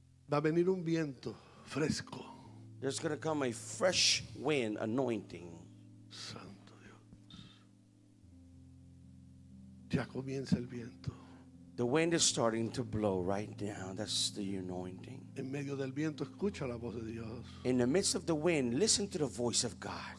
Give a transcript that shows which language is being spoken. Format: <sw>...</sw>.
<es>Va a venir un viento fresco.</es> <en>There's going to come a fresh wind anointing.</en> <es>Santo Dios. Ya comienza el viento.</es> <en>The wind is starting to blow right now. That's the anointing.</en> <es>En medio del viento, escucha la voz de Dios.</es> <en>In the midst of the wind, listen to the voice of God.</en>